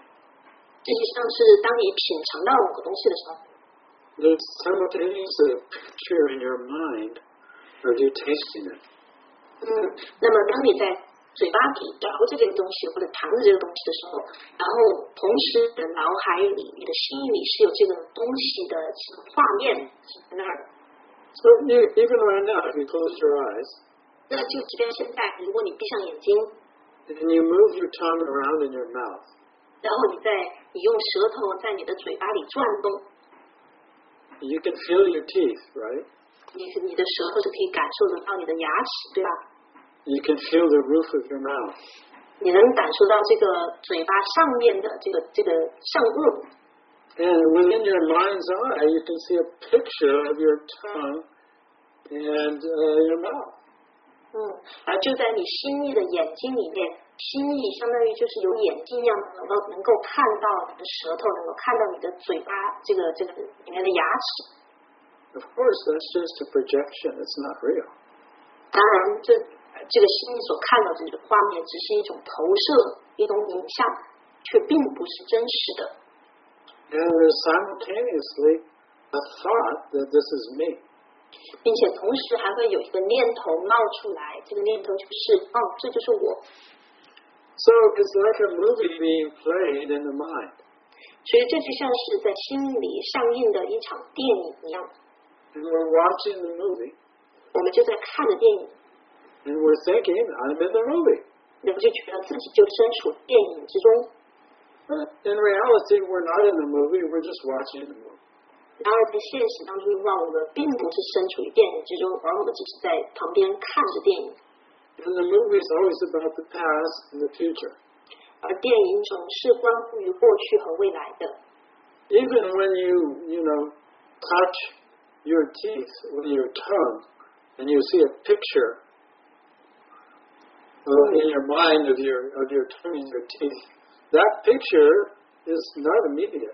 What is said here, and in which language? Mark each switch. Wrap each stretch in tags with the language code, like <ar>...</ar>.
<zh>实际上是当你品尝到某个东西的时候</zh> <en>It's simultaneous a picture in your mind or you tasting it.</en> <zh>那么当你在嘴巴里嚼着这个东西或者尝着这个东西的时候，然后同时的脑海里你的心里是有这个东西的画面在那儿。</zh> <en>So even right now if you close your eyes</en> <zh>那就即便现在如果你闭上眼睛</zh> <en>and you move your tongue around in your mouth</en> <zh>然后你用舌头在你的嘴巴里转动。</zh> <en>You can feel your teeth, right?</en> <zh>你的舌头是可以感受得到你的牙齿，对吧？</zh> <en>You can feel the roof of your mouth.</en> <zh>你能感受到这个嘴巴上面的这个上颚。</zh> <en>And within your mind's eye, you can see a picture of your tongue and your mouth.</en> <zh>而就在你心意的眼睛里面。心意相当于就是有眼睛一样的，能够看到你的舌头，能够看到你的嘴巴，这个里面的牙齿。</zh> <en>Of course, that's just a projection. It's not real.</en> <zh>当然，这个心意所看到的这个画面，只是一种投射，一种影像，却并不是真实的。</zh> <en>And simultaneously, a thought that this is me.</en> <zh>并且同时还会有一个念头冒出来，这个念头就是哦，这就是我。</zh> <en>So it's like a movie being played in the mind.</en> <zh>所以这就像是在心里上映的一场电影一样。</zh> <en>And we're watching the movie.</en> <zh>我们就在看着电影。</zh> <en>And we're thinking, I'm in the movie.</en> <zh>我们就觉得自己就身处电影之中。</zh> <en>But in reality, we're not in the movie, we're just watching the movie.</en> <zh>然而在现实当中，我们并不是身处电影之中，而我们只是在旁边看着电影。</zh> <en>And the movie is always about the past and the future.</en> <zh>而电影总是关乎于过去和未来的。</zh> <en>Even when you touch your teeth with your tongue, and you see a picture in your mind of your tongue and your teeth, that picture is not immediate.</en>